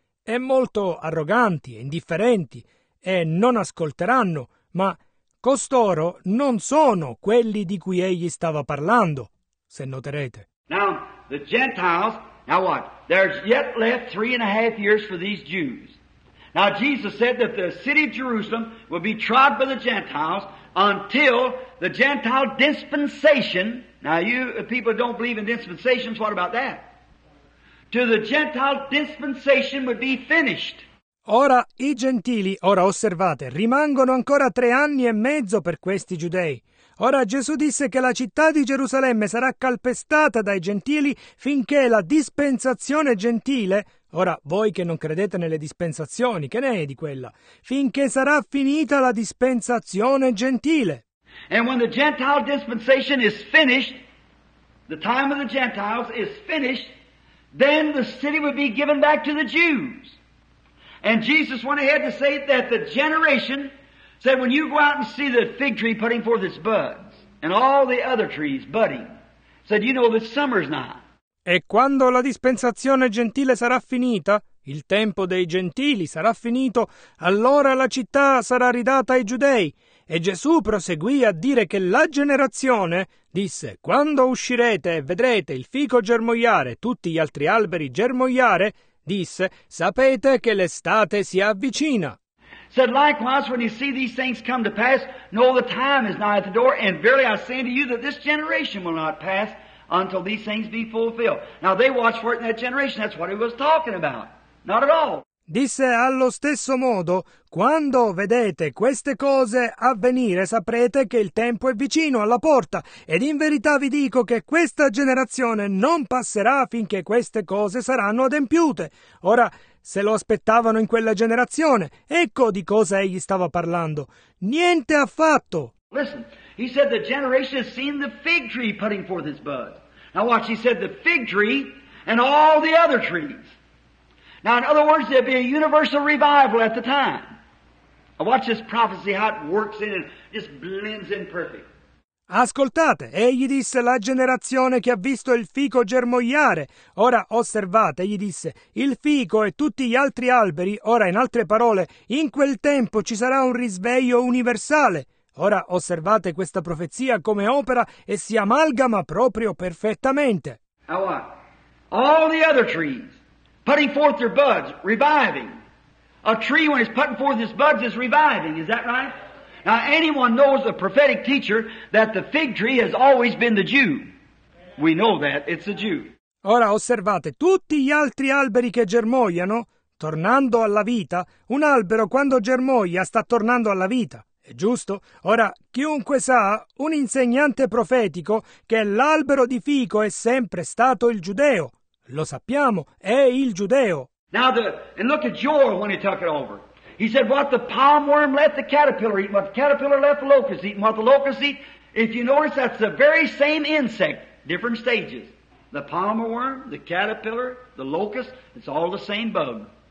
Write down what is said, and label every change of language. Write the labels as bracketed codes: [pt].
[it] È molto arroganti, indifferenti e non ascolteranno, ma costoro non sono quelli di cui egli stava parlando, se noterete. [en] Now, the Gentiles, now what? There's yet left 3.5 years for these Jews. Now Jesus said that the city of Jerusalem will be trod by the Gentiles until the Gentile dispensation, now you people don't believe in dispensations, what about that? To the Gentile dispensation would be finished. [it] Ora i gentili, ora osservate, rimangono ancora 3.5 per questi giudei. Ora Gesù disse che la città di Gerusalemme sarà calpestata dai gentili finché la dispensazione gentile. Ora, voi che non credete nelle dispensazioni, che ne è di quella? Finché sarà finita la dispensazione gentile. [en] And when the Gentile dispensation is finished, the time of the Gentiles is finished, then the city will be given back to the Jews. And Jesus went ahead to say that the generation said, when you go out and see the fig tree putting forth its buds, and all the other trees budding, said, you know, the summer's nigh. [it] E quando la dispensazione gentile sarà finita, il tempo dei gentili sarà finito, allora la città sarà ridata ai giudei. E Gesù proseguì a dire che la generazione, disse, quando uscirete e vedrete il fico germogliare e tutti gli altri alberi germogliare, disse, sapete che l'estate si avvicina. [en] Said likewise, when you see these things come to pass, know the time is nigh at the door, and verily I say unto you that this generation will not pass until these things be fulfilled. Now they watch for it in that generation, that's what he was talking about. Not at all. [it] Disse allo stesso modo, quando vedete queste cose avvenire, saprete che il tempo è vicino alla porta, ed in verità vi dico che questa generazione non passerà finché queste cose saranno adempiute. Ora, se lo aspettavano in quella generazione, ecco di cosa egli stava parlando. Niente affatto! [en] Listen, he said the generation has seen the fig tree putting forth its bud. Now watch, he said the fig tree and all the other trees. Now, in other words, there'd be a universal revival at the time. Now watch this prophecy, how it works in and just blends in perfect. [it] Ascoltate, egli disse la generazione che ha visto il fico germogliare. Ora osservate, egli disse, il fico e tutti gli altri alberi. Ora, in altre parole, in quel tempo ci sarà un risveglio universale. Ora osservate questa profezia come opera e si amalgama proprio perfettamente. [en] Now what? All the other trees. Putting forth their buds, reviving. A tree, when it's putting forth its buds, is reviving. Is that right? Now, anyone knows a prophetic teacher that the fig tree has always been the Jew. We know that. It's a Jew. [it] Ora osservate tutti gli altri alberi che germogliano, tornando alla vita. Un albero, quando germoglia, sta tornando alla vita. È giusto? Ora, chiunque sa, un insegnante profetico, che l'albero di fico è sempre stato il giudeo. Lo sappiamo, è il giudeo. [en] Now and look at Joel when he took it over. He said, what the palm worm left the caterpillar eat, what the caterpillar left the locust eat, and what the locust eat. If you notice, that's the very same insect, different stages. The palm worm, the caterpillar, the locust, it's all the same bug.